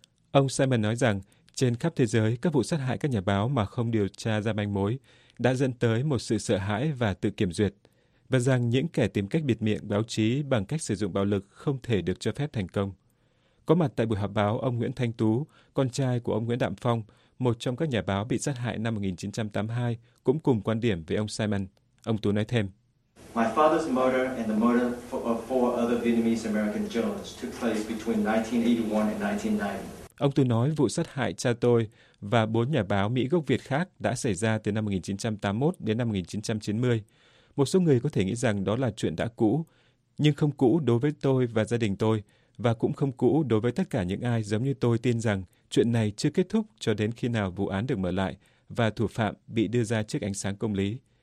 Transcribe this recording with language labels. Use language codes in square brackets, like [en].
[vi] Ông Simon nói rằng, trên khắp thế giới, các vụ sát hại các nhà báo mà không điều tra ra manh mối đã dẫn tới một sự sợ hãi và tự kiểm duyệt, và rằng những kẻ tìm cách bịt miệng báo chí bằng cách sử dụng bạo lực không thể được cho phép thành công. Có mặt tại buổi họp báo, ông Nguyễn Thanh Tú, con trai của ông Nguyễn Đạm Phong, một trong các nhà báo bị sát hại năm 1982, cũng cùng quan điểm với ông Simon. Ông Tú nói thêm. [en] My father's murder and the murder of four other Vietnamese American journalists took place between 1981 and 1990. [vi] Ông Tú nói vụ sát hại cha tôi và bốn nhà báo Mỹ gốc Việt khác đã xảy ra từ năm 1981 đến năm 1990. Một số người có thể nghĩ rằng đó là chuyện đã cũ, nhưng không cũ đối với tôi và gia đình tôi, và cũng không cũ đối với tất cả những ai giống như tôi tin rằng chuyện này chưa kết thúc cho đến khi nào vụ án được mở lại và thủ phạm bị đưa ra trước ánh sáng công lý.